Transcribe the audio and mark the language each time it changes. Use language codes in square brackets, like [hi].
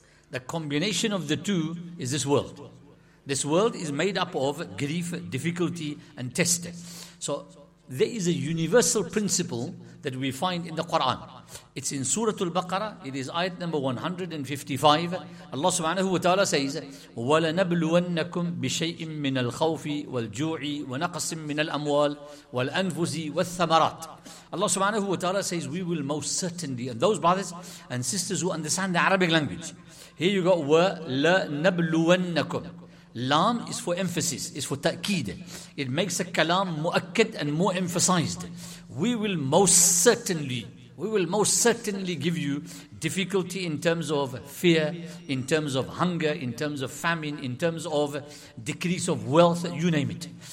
[en] The combination of the two is this world. This world is made up of grief, difficulty, and test. So there is a universal principle that we find in the Quran. It's in Surah Al-Baqarah, it is ayat number 155. Allah subhanahu wa ta'ala says, [ar] وَلَنَبْلُوَنَّكُمْ بِشَيْءٍ مِّنَ الْخَوْفِ وَالْجُوعِ وَنَقَصٍ مِّنَ الْأَمْوَالِ وَالْأَنْفُزِ وَالثَّمَرَاتِ. [en] Allah subhanahu wa ta'ala says, we will most certainly, and those brothers and sisters who understand the Arabic language, here you got وَلَنَبْلُوَنَّكُمْ. Lam is for emphasis, is for ta'keed. It makes a kalam mu'akkad and more emphasized. We will most certainly give you difficulty in terms of fear, in terms of hunger, in terms of famine, in terms of decrease of wealth, you name it.